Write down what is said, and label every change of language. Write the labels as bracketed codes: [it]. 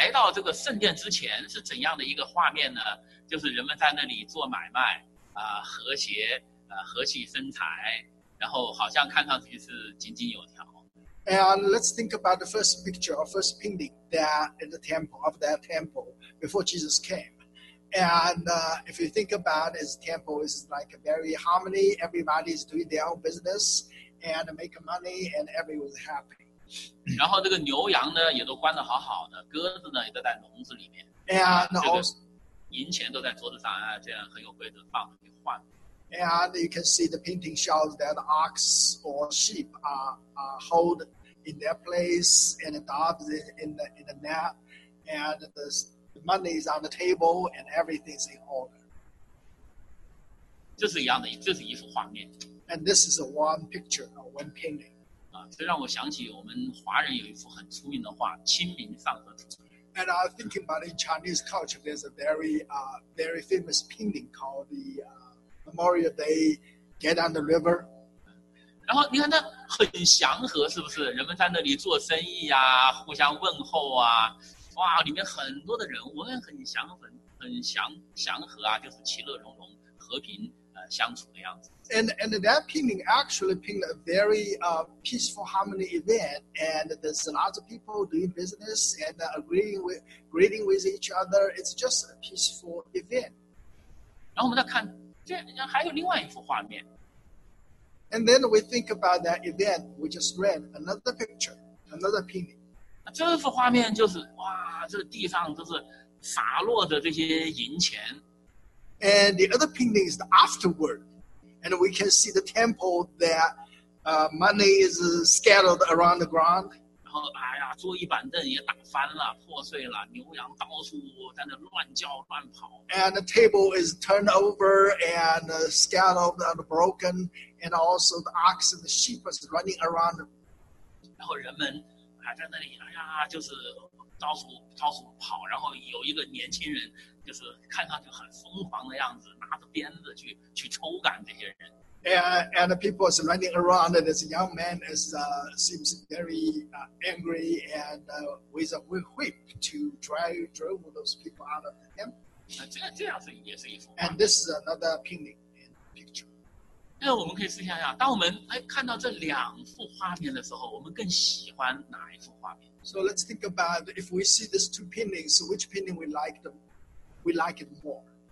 [zh] 就像耶稣来到这个圣殿之前是怎样的一个画面呢?就是人们在那里做买卖, 和谐, 和气生财, 然后好像看上去是井井有条。 [en] And let's think about the first picture or first painting there in the temple, of that temple before Jesus came. And if you think about his temple, it's like a very harmony. Everybody is doing their own business and make money, and everyone's happy. [zh] 然后这个牛羊呢, 也都关得好好的, 鸽子呢, 也都在笼子里面, [en] and also, [zh] 银钱都在桌子上啊, 这样很有规则放着去换。 [en] And you can see the painting shows that ox or sheep are held in their place, and the doves in the net, and the money is on the table, and everything is in order. [zh] 这是一样的, 这是一幅画面。 [en] And this is one picture, one painting. [zh] 啊, 这让我想起我们华人有一幅很出名的画, 清明上河图。 [en] And I'm thinking about in Chinese culture, there's a very, very famous painting called the Memorial Day, Get on the River. [zh] 然后你看它很祥和是不是?人们在那里做生意啊, 互相问候啊。哇, 里面很多的人, 我们很祥和, 很祥和啊, 就是其乐融融, 和平, 相处的样子。 [en] And that painting actually painted a very peaceful harmony event, and there's lots of people doing business and agreeing with, greeting with each other. It's just a peaceful event. [zh] 然后我们再看, 这还有另外一幅画面。 [en] And then we think about that event, we just read another picture, another painting. [zh] 这幅画面就是, 哇, 这地上都是洒落的这些银钱。 [en] And the other painting is the afterward. And we can see the temple that money is scattered around the ground. [zh] 然后, 哎呀, 桌椅板凳也打翻了, 破碎了, 牛羊到处在那乱叫乱跑。 [en] And the table is turned over and scattered and broken. And also the ox and the sheep is running around. [zh] 然后人们, 还在那里,哎呀,就是到处跑,然后有一个年轻人,就是看上去很疯狂的样子,拿着鞭子去抽赶这些人。 [en] And the people is running around, and this young man is seems very angry and with a whip to drove those people out of him. [zh] 这样是也是一幅画面。 [en] And this is another painting in the picture. [zh] 那我们可以试想想,当我们看到这两幅画面的时候,我们更喜欢哪一幅画面? [en] So let's think about if we see these two paintings, which painting we like it more?